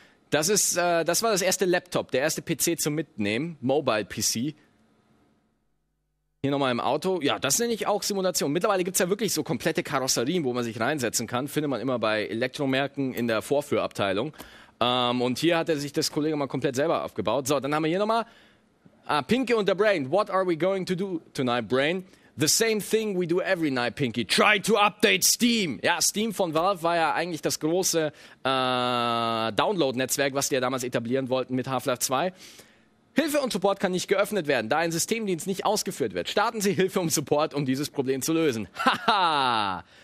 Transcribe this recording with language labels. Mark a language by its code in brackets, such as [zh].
[de] Das war das erste Laptop, der erste PC zum Mitnehmen, Mobile PC. Hier nochmal im Auto. Ja, das nenne ich auch Simulation. Mittlerweile gibt es ja wirklich so komplette Karosserien, wo man sich reinsetzen kann. Findet man immer bei Elektromärkten in der Vorführabteilung. Und hier hat er sich das Kollege mal komplett selber aufgebaut. So, dann haben wir hier nochmal Pinky und der Brain. [en] What are we going to do tonight, Brain? The same thing we do every night, Pinky. Try to update Steam. [de] Ja, Steam von Valve war ja eigentlich das große Download-Netzwerk, was die ja damals etablieren wollten mit Half-Life 2. Hilfe und Support kann nicht geöffnet werden, da ein Systemdienst nicht ausgeführt wird. Starten Sie Hilfe und Support, um dieses Problem zu lösen. Haha!